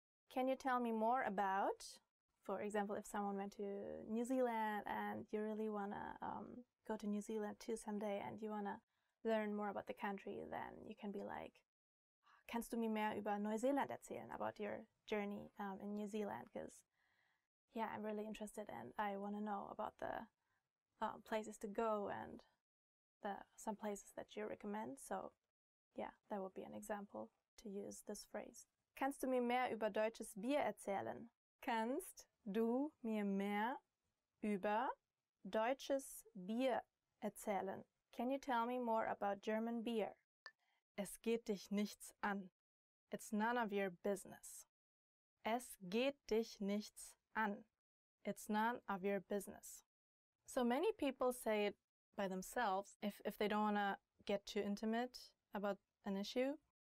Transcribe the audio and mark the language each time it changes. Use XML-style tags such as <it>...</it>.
<en>Can you tell me more about, for example, if someone went to New Zealand and you really want to go to New Zealand too someday and you want to learn more about the country, then you can be like,</en> <de>kannst du mir mehr über Neuseeland erzählen,</de> <en>about your journey in New Zealand? Because, yeah, I'm really interested and I want to know about the places to go and the some places that you recommend. So, yeah, that would be an example to use this phrase.</en> <de>Kannst du mir mehr über deutsches Bier erzählen? Kannst du mir mehr über deutsches Bier erzählen?</de> <en>Can you tell me more about German beer?</en> <de>Es geht dich nichts an.</de> <en>It's none of your business.</en> <de>Es geht dich nichts an.</de> <en>It's none of your business. So many people say it by themselves if they don't want to get too intimate about an issue.</en>